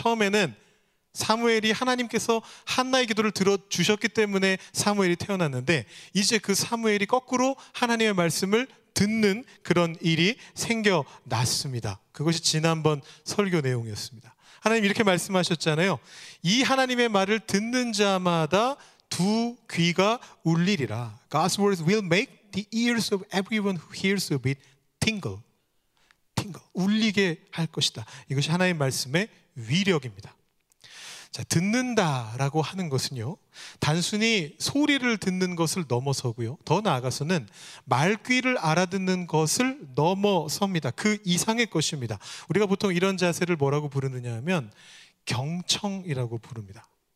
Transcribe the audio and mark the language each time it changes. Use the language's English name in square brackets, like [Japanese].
[Korean] 처음에는 사무엘이 하나님께서 한나의 기도를 들어주셨기 때문에 사무엘이 태어났는데 이제 그 사무엘이 거꾸로 하나님의 말씀을 듣는 그런 일이 생겨났습니다. 그것이 지난번 설교 내용이었습니다. 하나님 이렇게 말씀하셨잖아요. 이 하나님의 말을 듣는 자마다 두 귀가 울리리라. [English] God's words will make the ears of everyone who hears of it tingle. [Korean] Tingle. 울리게 할 것이다. 이것이 하나님의 말씀의 위력입니다. 자, 듣는다라고 하는 것은요, 단순히 소리를 듣는 것을 넘어서고요, 더 나아가서는 말귀를 알아듣는 것을 넘어섭니다. 그 이상의 것입니다. 우리가 보통 이런 자세를 뭐라고 부르느냐 하면 경청이라고 부릅니다.